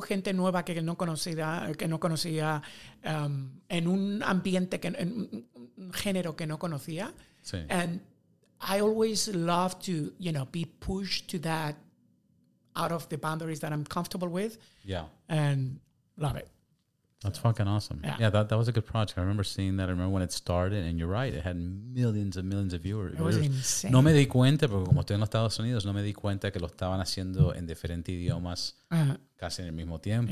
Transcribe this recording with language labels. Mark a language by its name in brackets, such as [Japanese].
[Spanish] Gente nueva que no conocía, en un ambiente, en un género que no conocía. Sí. [English] And I always love to, you know, be pushed to that, out of the boundaries that I'm comfortable with. Yeah. And love it. That's so fucking awesome. Yeah. Yeah, that was a good project. I remember seeing that. I remember when it started, and you're right, it had millions of viewers. It was insane. [Spanish] No me di cuenta, porque como estoy en los Estados Unidos, no me di cuenta que lo estaban haciendo en diferentes idiomas casi en el mismo tiempo.